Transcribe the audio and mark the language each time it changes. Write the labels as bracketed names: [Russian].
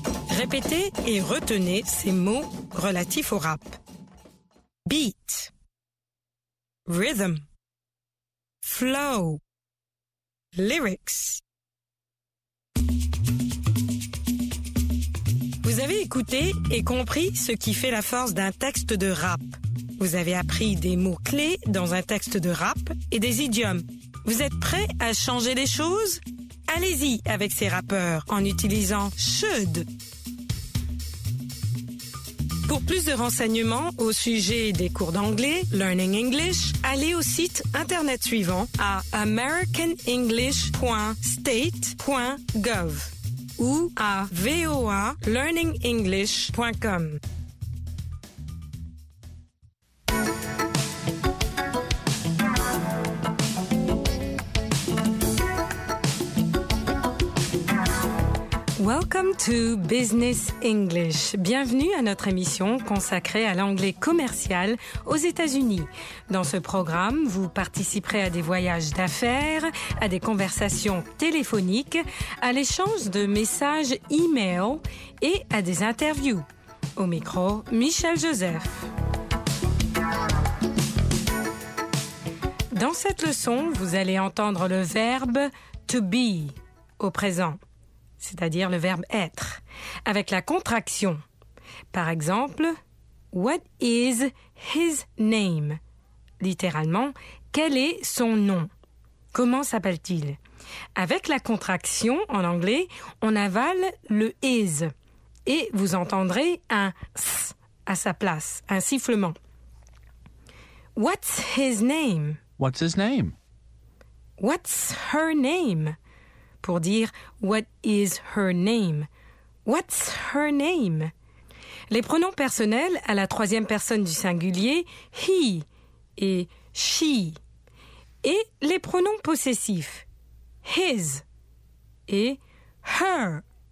[French] Répétez et retenez ces mots relatifs au rap. [English] Beat, rhythm, flow, lyrics. [French] Vous avez écouté et compris ce qui fait la force d'un texte de rap. Vous avez appris des mots clés dans un texte de rap et des idiomes. Vous êtes prêt à changer les choses? Allez-y avec ces rappeurs en utilisant « should ». Pour plus de renseignements au sujet des cours d'anglais, Learning English, allez au site internet suivant à americanenglish.state.gov ou à voalearningenglish.com. [English] Welcome to Business English. [French] Bienvenue à notre émission consacrée à l'anglais commercial aux États-Unis. Dans ce programme, vous participerez à des voyages d'affaires, à des conversations téléphoniques, à l'échange de messages e-mail et à des interviews. Au micro, Michel Joseph. Dans cette leçon, vous allez entendre le verbe « to be » au présent, c'est-à-dire le verbe « être », avec la contraction. Par exemple, « [English] What is his name ?» [French] Littéralement, « Quel est son nom ?» Comment s'appelle-t-il ? Avec la contraction, en anglais, on avale le « is » et vous entendrez un « s » à sa place, un sifflement. [English] « What's his name ?» What's his name? What's her name? [French] Pour dire [English] what is her name? What's her name? [French] Les pronoms personnels à la troisième personne du singulier, he et she. Et les pronoms possessifs, his et her.